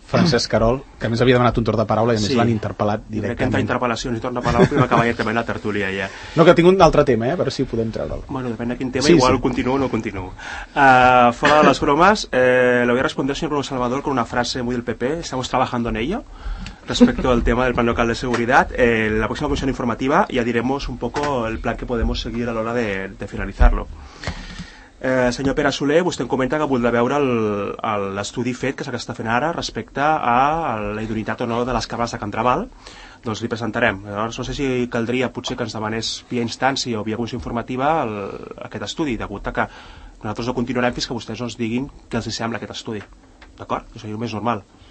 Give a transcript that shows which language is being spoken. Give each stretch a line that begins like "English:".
Catalan: Francesc Carol, que a més havia demanat un torn de paraula i a més sí. L'han interpel·lat directament. Crec que entre interpel·lacions i torn de paraula primer acaba ja també la tertúlia ja. No, que tinc un altre tema, a veure si ho podem treure. Bueno, depèn de quin tema, sí, igual sí. Continuo o no continuo. Fora de les bromes, l'havia respondre el senyor Bruno Salvador
Spanish: con una frase muy del PP, estamos trabajando en ello. respecto al tema del plan local de seguridad, en la próxima comisión informativa ya diremos un poco el plan que podemos seguir a la hora de finalizarlo.
Catalan: Senyor Pere Soler, vostè em comenta que voldrà veure l'estudi fet que s'està fent ara respecte a la idoneïtat o no de les cabres de Can Trabal. Doncs li presentarem. Llavors, no sé si caldria potser que ens demanés via instància o via comissió informativa aquest estudi, degut a que nosaltres no continuarem fins que vostès no ens diguin què els sembla aquest estudi. D'acord? Això seria el més normal.